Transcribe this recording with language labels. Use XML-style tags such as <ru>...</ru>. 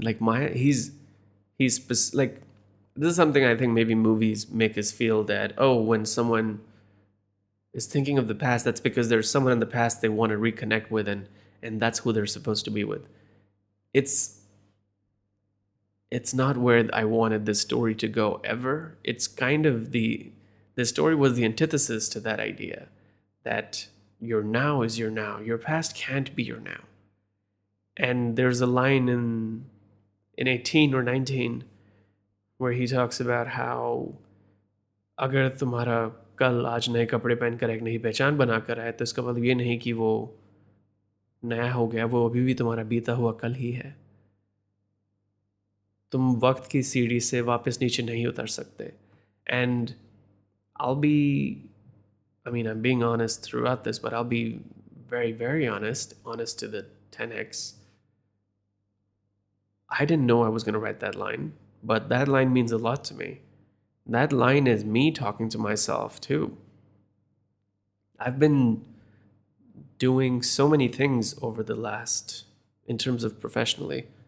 <en>Like, Maya, he's this is something I think maybe movies make us feel, that, oh, when someone is thinking of the past, that's because there's someone in the past they want to reconnect with, and that's who they're supposed to be with. It's not where I wanted this story to go ever. It's kind of the story was the antithesis to that idea, that your now is your now. Your past can't be your now. And there's a line in 18 or 19 where he talks about how</en> <hi>अगर तुम्हारा कल आज नए कपड़े पहन कर एक नई पहचान बना कर है तो इसका मतलब ये नहीं कि वो नया हो गया, वो अभी भी तुम्हारा बीता हुआ कल ही है। तुम वक़्त की सीढ़ी से वापस नीचे नहीं उतर सकते।</hi> <en>And I'm being honest throughout this, but I'll be very, very honest to the 10x. I didn't know I was going to write that line, but that line means a lot to me. That line is me talking to myself too. I've been doing so many things over the last, in terms of professionally.</en>